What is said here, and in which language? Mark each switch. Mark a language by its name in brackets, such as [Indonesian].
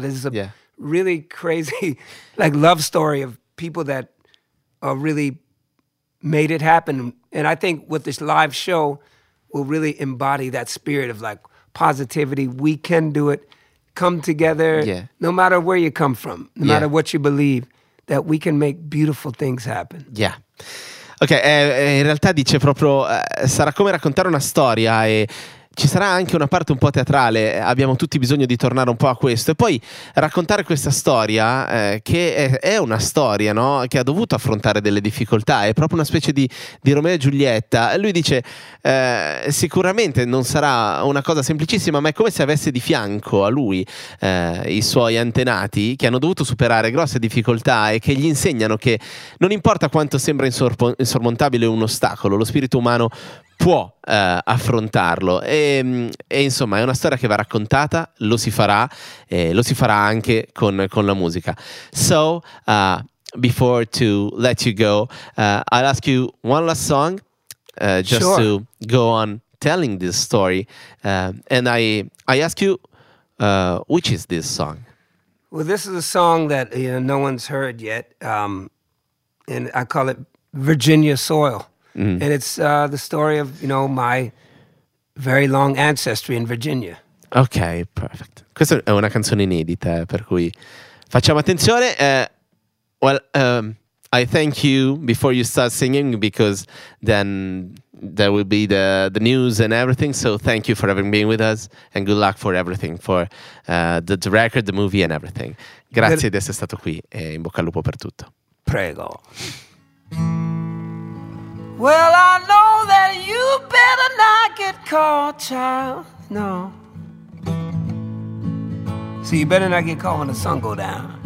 [English] This is a really crazy, like, love story of people that are really made it happen. And I think with this live show will really embody that spirit of, like, positivity. We can do it. Come together, no matter where you come from, no matter what you believe, that we can make beautiful things happen. Yeah. [Italian] Ok, in realtà dice proprio, sarà come raccontare una storia e ci sarà anche una parte un po' teatrale, abbiamo tutti bisogno di tornare un po' a questo. E poi raccontare questa storia, che è una storia, no? Che ha dovuto affrontare delle difficoltà, è proprio una specie di Romeo e Giulietta. Lui dice, sicuramente non sarà una cosa semplicissima, ma è come se avesse di fianco a lui i suoi antenati, che hanno dovuto superare grosse difficoltà e che gli insegnano che non importa quanto sembra insormontabile un ostacolo, lo spirito umano può affrontarlo. E insomma è una storia che va raccontata, lo si farà, e lo si farà anche con la musica. [English] So before to let you go, I'll ask you one last song, just sure, to go on telling this story, and I ask you, which is this song? Well, this is a song that, you know, no one's heard yet, and I call it Virginia Soil. Mm. And it's the story of, you know, my very long ancestry in Virginia. Ok, perfect. [Italian] Questa è una canzone inedita, per cui facciamo attenzione. [English] Well, I thank you before you start singing, because then there will be the news and everything. So thank you for having been with us, and good luck for everything, for the record, the movie and everything. [Italian] Grazie di essere stato qui e in bocca al lupo per tutto. Prego. [English] Well, I know that you better not get caught, child, no. See, you better not get caught when the sun go down.